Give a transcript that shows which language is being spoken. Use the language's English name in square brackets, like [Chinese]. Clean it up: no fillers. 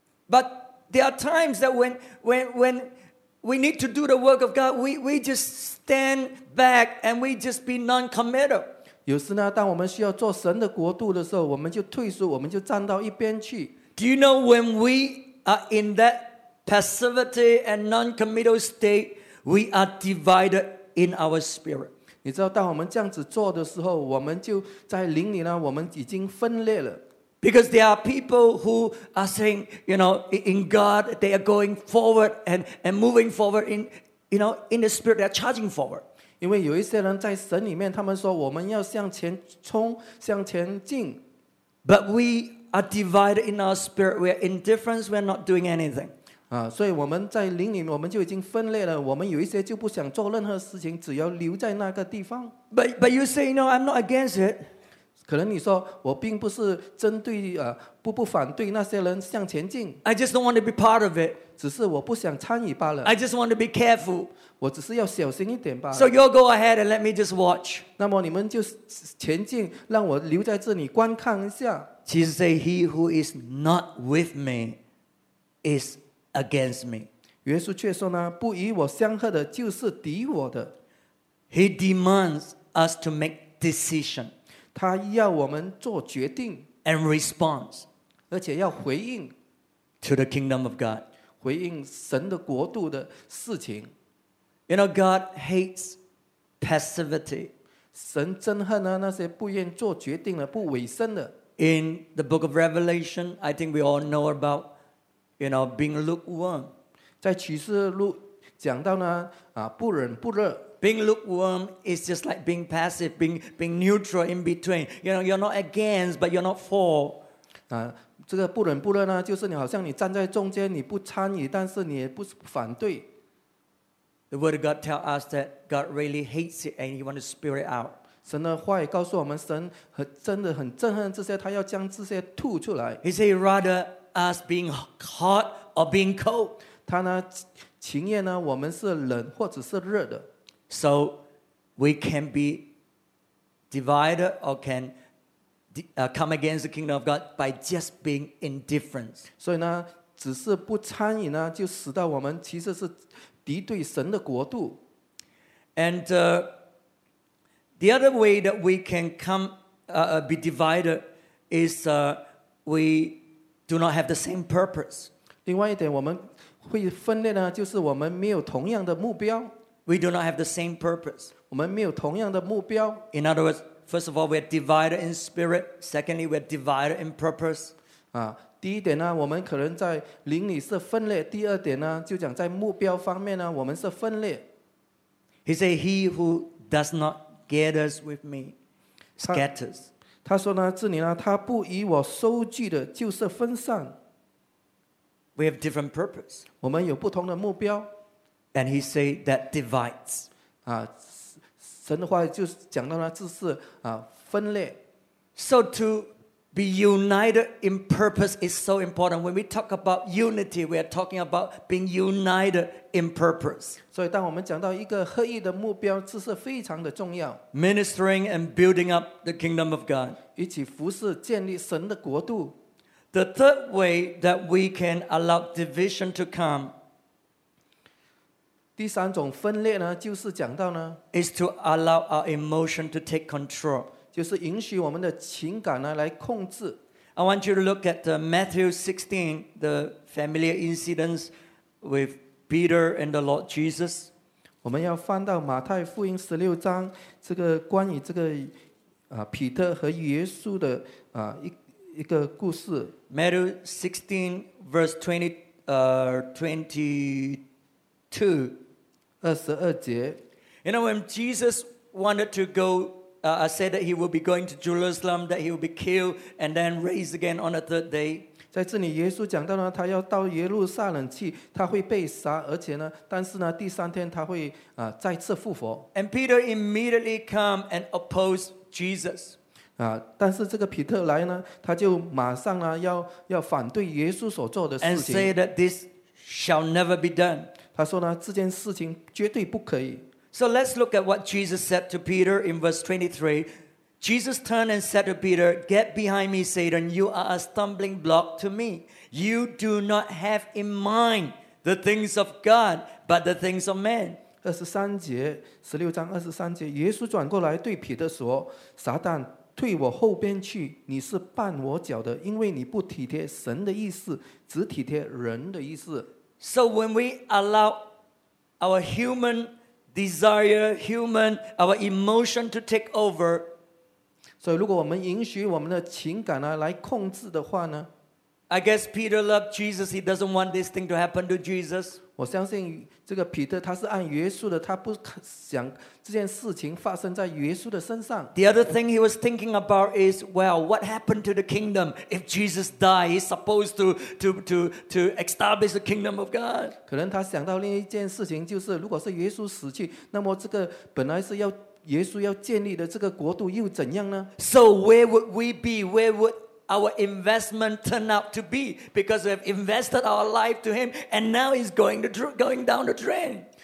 [English] But there are times that when we need to do the work of God, we just stand back and we just be non-committal. [Chinese] 有时呢，当我们需要做神的国度的时候，我们就退缩，我们就站到一边去。 [English] Do you know when we are in that passivity and non-committal state, we are divided in our spirit? [Chinese] 你知道，当我们这样子做的时候，我们就在灵里呢，我们已经分裂了。 [English] Because there are people who are saying, you know, in God, they are going forward and moving forward in, you know, in the spirit, they are charging forward. [Chinese] 因为有一些人在神里面，他们说我们要向前冲，向前进。 [English] But we are divided in our spirit. We are indifferent. We are not doing anything. [Chinese] 所以我们在灵里，我们就已经分裂了。我们有一些就不想做任何事情，只要留在那个地方。 [English] But you say, you know, I'm not against it. [Chinese] 可能你说我并不是针对不反对那些人向前进。 [English] I just don't want to be part of it. [Chinese] 只是我不想参与罢了。 [English] I just want to be careful. [Chinese] 我只是要小心一点罢了。 [English] So you go ahead and let me just watch. [Chinese] 那么你们就前进，让我留在这里观看一下。 [English] Jesus said, "He who is not with me is against me." [Chinese] 耶稣却说呢，不与我相合的，就是敌我的。 [English] He demands us to make decision. [Chinese] 他要我们做决定 [English] and response, [Chinese] 而且要回应 [English] to the kingdom of God, [Chinese] 回应神的国度的事情。 [English] You know, God hates passivity. [Chinese] 神憎恨了那些不愿做决定的、不委身的。 [English] In the book of Revelation, I think we all know about, you know, being lukewarm. [Chinese] 在启示录讲到呢，不冷不热。 [English] Being lukewarm is just like being passive, being neutral in between. You know, you're not against, but you're not for. [Chinese] 这个不冷不热呢，就是你好像你站在中间，你不参与，但是你也不反对。 [English] The word of God tells us that God really hates it and he wants to spill it out. [Chinese] 神的话也告诉我们，神真的很憎恨这些，他要将这些吐出来。 [English] He said he'd rather us being hot or being cold. [Chinese] 他呢，情愿呢，我们是冷或者是热的。 [English] So we can be divided or can come against the kingdom of God by just being indifferent. [Chinese] 所以呢，只是不参与呢，就使到我们其实是敌对神的国度。 [English] And the other way that we can come be divided is we do not have the same purpose. [Chinese] 另外一点我们会分裂呢，就是我们没有同样的目标。 [English] We do not have the same purpose. [Chinese] 我们没有同样的目标。 [English] In other words, first of all, we are divided in spirit. Secondly, we are divided in purpose. [Chinese] 第一点呢，我们可能在灵里是分裂。第二点呢，就讲在目标方面呢，我们是分裂。 [English] He said, "He who does not gather with me scatters." [Chinese] 他说呢，这里呢，他不与我收聚的，就是分散。 [English] We have different purpose. [Chinese] 我们有不同的目标。 [English] And he say that divides. [Chinese] 神的话就讲到了这是分裂。 [English] So to be united in purpose is so important. When we talk about unity, we are talking about being united in purpose. [Chinese] 所以当我们讲到一个合一的目标，这是非常的重要。 [English] Ministering and building up the kingdom of God. [Chinese] 一起服事，建立神的国度。 [English] The third way that we can allow division to come. [Chinese] 第三种分裂呢，就是讲到呢 [English] ，is to allow our emotion to take control， [Chinese] 就是允许我们的情感呢来控制。 [English] I want you to look at Matthew 16, the familiar incidents with Peter and the Lord Jesus。 [Chinese] 我们要翻到马太福音十六章，这个关于这个彼得和耶稣的一个故事。 [English] Matthew 16 verse 22. Verse 22. You know, when Jesus wanted to go said that he will be going to Jerusalem, that he will be killed and then raised again on the third day. [Chinese] 在这里耶稣讲到了他要到耶路撒冷去，他会被杀，而且呢，但是呢，第三天他会再次复活。 [English] And Peter immediately come and oppose Jesus. [Chinese] 但是这个彼得来呢，他就马上呢要反对耶稣所做的事情。 [English] And say that this shall never be done. [Chinese] 他说呢，这件事情绝对不可以。 [English] So let's look at what Jesus said to Peter in verse 23. Jesus turned and said to Peter, Get behind me, Satan. You are a stumbling block to me. You do not have in mind the things of God, but the things of man. [Chinese] 16章23节，耶稣转过来对彼得说，撒旦，退我后边去，你是绊我脚的，因为你不体贴神的意思，只体贴人的意思。 [English] So when we allow our human desire, our emotion to take over, [Chinese] 所以如果我们允许我们的情感呢来控制的话呢 [English] I guess Peter loved Jesus. He doesn't want this thing to happen to Jesus. [Chinese] 我相信这个彼得他是爱耶稣的，他不想这件事情发生在耶稣的身上。 [English] The other thing he was thinking about is, well, what happened to the kingdom if Jesus died? He's supposed to establish the kingdom of God. [Chinese] 可能他想到另一件事情，就是如果是耶稣死去，那么这个本来是要耶稣要建立的这个国度又怎样呢？ [English] So where would we be? Where would our investment turn out to be? Because we have invested our life to him and now he's going down the drain.